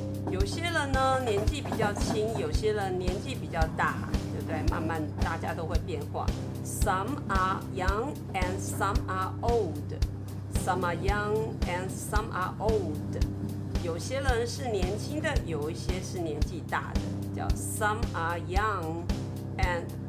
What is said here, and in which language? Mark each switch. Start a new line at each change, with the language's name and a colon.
Chinese: 有些人呢年纪比较轻，有些人年纪比较大，对不对？慢慢大家都会变化。
English: Some are young and some are old. Some are young and some are old.
Chinese: 有些人是年轻的，有一些是年纪大的，叫
English: some are young and.